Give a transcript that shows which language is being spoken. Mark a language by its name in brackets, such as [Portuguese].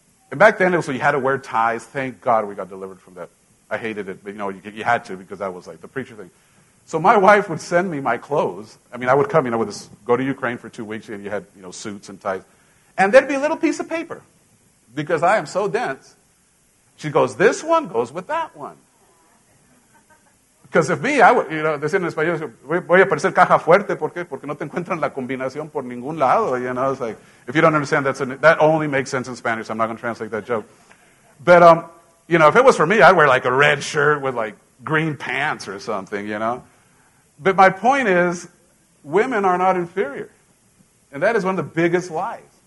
[English] And back then, it was so you had to wear ties. Thank God we got delivered from that. I hated it, but you know, you had to because that was like the preacher thing. So my wife would send me my clthes. I mean, I would come, you know, with this, go to Ukraine for 2 weeks, and you had, you know, suits and ties. And there'd be a little piece of paper because I am so dense. She goes, this one goes with that one. Because if me, I would, you know, [Spanish] decir en español, voy a parecer caja fuerte, ¿por qué? Porque no te encuentran la combinación por ningún lado, [English] you know. It's like, if you don't understand, that only makes sense in Spanish. I'm not going to translate that joke. But, you know, if it was for me, I'd wear like a red shirt with like green pants or something, you know. But my point is, women are not inferior. And that is one of the biggest lies.